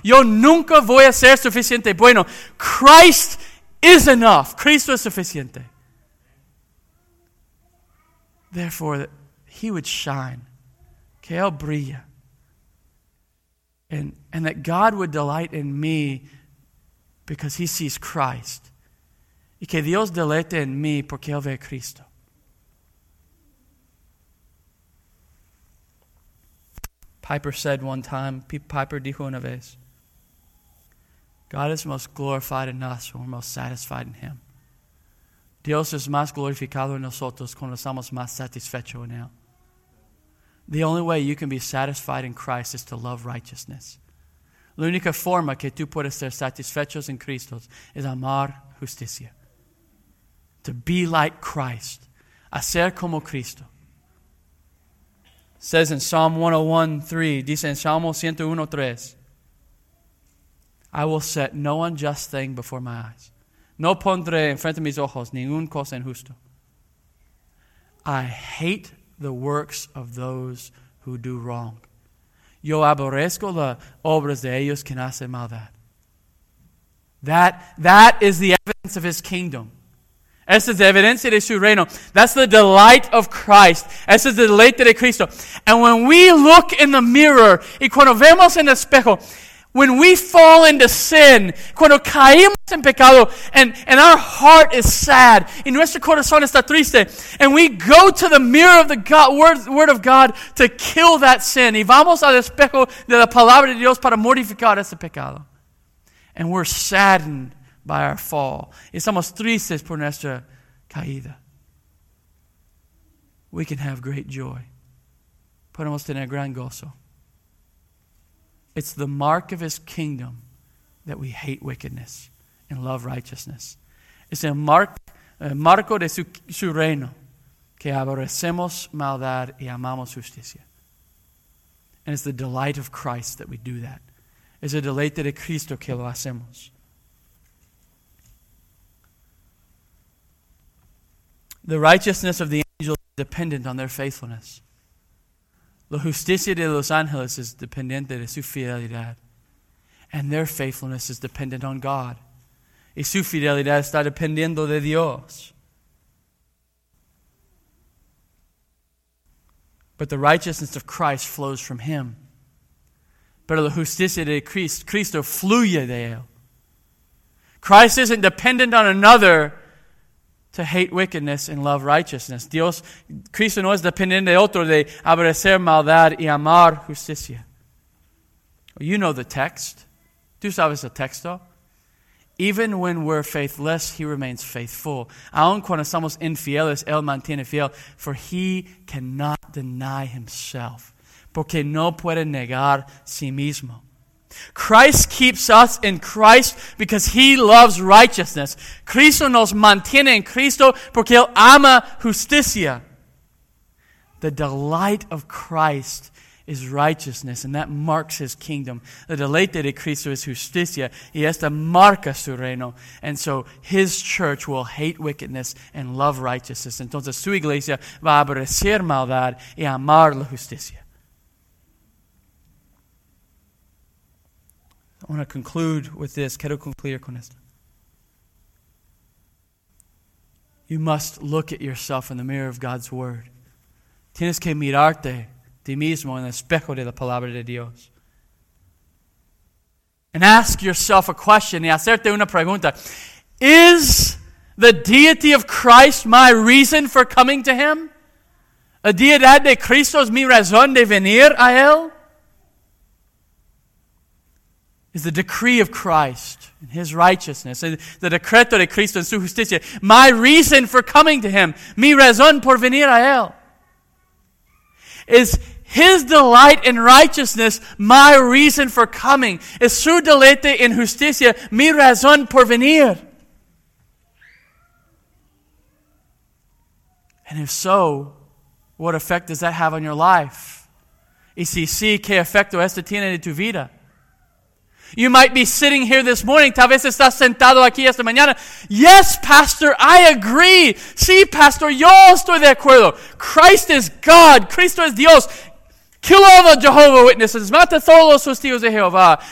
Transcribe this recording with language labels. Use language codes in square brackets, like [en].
[es] Yo nunca voy a ser suficiente. Bueno, [en] Christ is enough. [es] Cristo es suficiente. [en] Therefore, he would shine. [es] Que él brilla. [en] And that God would delight in me because he sees Christ. [es] Y que Dios deleite en mí porque él ve a Cristo. [en] Piper said one time, [es] Piper dijo una vez, [en] God is most glorified in us when we're most satisfied in him. [es] Dios es más glorificado en nosotros cuando estamos más satisfechos en él. [en] The only way you can be satisfied in Christ is to love righteousness. [es] La única forma que tú puedes ser satisfechos en Cristo es amar justicia. [en] To be like Christ. [es] A ser como Cristo. [en] Says in Psalm 101:3, I will set no unjust thing before my eyes. [es] No pondré en frente de mis ojos ningún cosa injusto. [en] I hate the works of those who do wrong. [es] Yo aborrezco las obras de ellos que hacen maldad. [en] That is the evidence of his kingdom. [es] Esa es la evidencia de su reino. [en] That's the delight of Christ. [es] Esa es la deleite de Cristo. [en] And when we look in the mirror, [es] y cuando vemos en el espejo, [en] when we fall into sin, [es] cuando caímos en pecado, [en] and our heart is sad, [es] y nuestro corazón está triste, [en] and we go to the mirror of the God, word of God to kill that sin, [es] y vamos al espejo de la palabra de Dios para mortificar ese pecado. [en] And we're saddened by our fall. [es] Estamos tristes por nuestra caída. [en] We can have great joy. [es] Podemos tener gran gozo. [en] It's the mark of his kingdom that we hate wickedness and love righteousness. [es] Es el marco de su reino que aborrecemos maldad y amamos justicia. [en] And it's the delight of Christ that we do that. [es] Es el deleite de Cristo que lo hacemos. [en] The righteousness of the angels is dependent on their faithfulness. [es] La justicia de los ángeles [en] is dependent [es] de su fidelidad. [en] And their faithfulness is dependent on God. [es] Y su fidelidad está dependiendo de Dios. [en] But the righteousness of Christ flows from him. [es] Pero la justicia de Cristo fluye de él. [en] Christ isn't dependent on another to hate wickedness and love righteousness. [es] Dios, Cristo no es dependiente de otro de aborrecer maldad y amar justicia. [en] You know the text. [es] Tú sabes el texto. [en] Even when we're faithless, he remains faithful. [es] Aun cuando somos infieles, él mantiene fiel. [en] For he cannot deny himself. [es] Porque no puede negar sí mismo. [en] Christ keeps us in Christ because he loves righteousness. [es] Cristo nos mantiene en Cristo porque él ama justicia. [en] The delight of Christ is righteousness, and that marks his kingdom. [es] The deleite de Cristo es justicia, y esta marca su reino. [en] And so his church will hate wickedness and love righteousness. [es] Entonces su iglesia va a aborrecer maldad y amar la justicia. [en] I want to conclude with this. [es] Quiero concluir con esto. [en] You must look at yourself in the mirror of God's word. [es] Tienes que mirarte ti mismo en el espejo de la palabra de Dios. [en] And ask yourself a question [es] y hacerte una pregunta. [en] Is the deity of Christ my reason for coming to him? [es] ¿La deidad de Cristo es mi razón de venir a él? [en] Is the decree of Christ and his righteousness, the [es] decreto de Cristo en su justicia, [en] my reason for coming to him, [es] mi razón por venir a él? [en] Is his delight in righteousness my reason for coming? [es] Is su deleite en justicia mi razón por venir? [en] And if so, what effect does that have on your life? [es] Y si sí, ¿qué efecto esto tiene en tu vida? [en] You might be sitting here this morning. [es] Tal vez estás sentado aquí esta mañana. [en] Yes, Pastor, I agree. [es] Sí, Pastor, yo estoy de acuerdo. [en] Christ is God. [es] Cristo es Dios. Kill all the Jehovah Witnesses. Mata todos los testigos de Jehová.